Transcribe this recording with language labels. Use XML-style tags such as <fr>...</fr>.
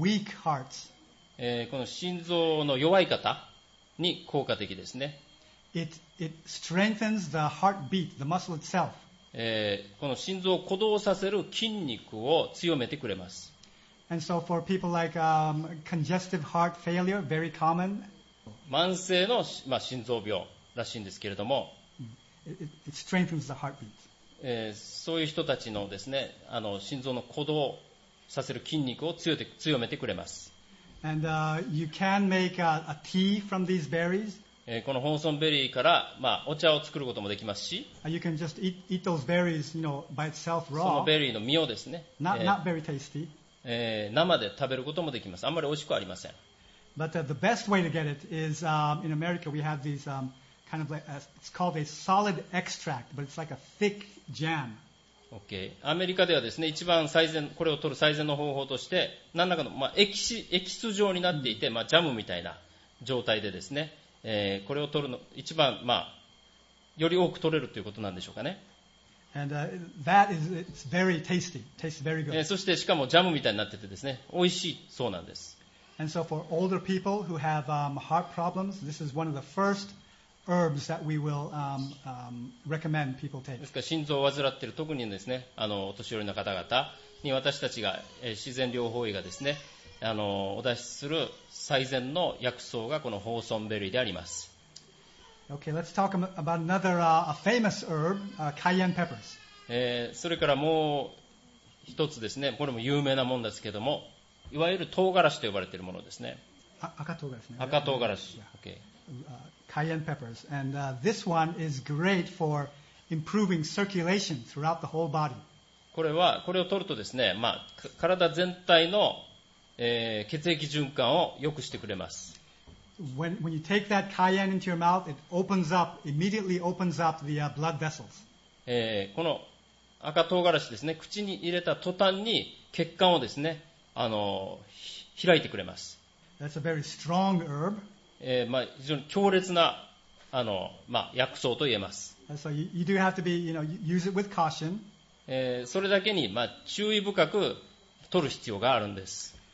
<ja>この心臓の弱い方に効果的ですね。</ja> <en>It strengthens the heartbeat, the muscle itself.</en> <ja>この心臓を鼓動させる筋肉を強めてくれます。</ja> <en>And so for people like congestive heart failure, very common.</en> <ja>慢性の、まあ、心臓病らしいんですけれども、</ja> <en>it strengthens the heartbeat.</en> <ja>そういう人たちのですね、心臓の鼓動させる筋肉を強めてくれます。</ja> <en>And you can make a tea from these berries.</en> <ja>このホーソンベリーから、まあ、お茶を作ることもできますし、</ja> <en>you can just eat those berries, you know, by itself raw.</en> <ja>そのベリーの実をですね、</ja> <en>not very tasty.</en> <ja>生で食べることもできます。あんまり美味しくありません。</ja> <en>But the best way to get it is in America we have these kind of like it's called a solid extract, but it's like a thick jam. Okay.</en> <ja>アメリカではですね、一番最善これを取る最善の方法として何らかの、まあ、エキス状になっていて、まあ、ジャムみたいな状態でですね、これを取るの一番、まあ、より多く取れるということなんでしょうかね。</ja> <en>And that is it's very tasty. Tastes very good.</en> <ja>そしてしかもジャムみたいになっててですね、美味しいそうなんです。</ja> <en>And so for older people who have heart problems, this is one of the first herbs that we will recommend people take.</en> <ja>ですから心臓を患っている特にですね、お年寄りの方々に私たちが自然療法医がですね、お出しする最善の薬草がこのホーソンベリーであります。</ja> <en>Okay, let's talk about another famous herb, cayenne peppers.</en> <ja>それからもう一つですね、これも有名なものですけども、いわゆる唐辛子と呼ばれているものですね。赤唐辛子ね。赤唐辛子。</ja> <en>Yeah. Okay. Cayenne peppers. And this one is great for improving circulation throughout the whole body.</en> <ja>これは、これを取るとですね、まあ、体全体の、血液循環を良くしてくれます。</ja> <en>When you take that cayenne into your mouth, it opens up, immediately opens up the blood vessels.</en> <ja>この赤唐辛子ですね、口に入れた途端に血管をですね、開いてくれます。</ja> <en>That's a very strong herb.</en> <ja>まあ、非常に強烈な、まあ、薬草と言えます。</ja> <en>So you do have to be, you know, use it with caution.</en> <ja>それだけに、まあ、注意深く取る必要があるんです。</ja>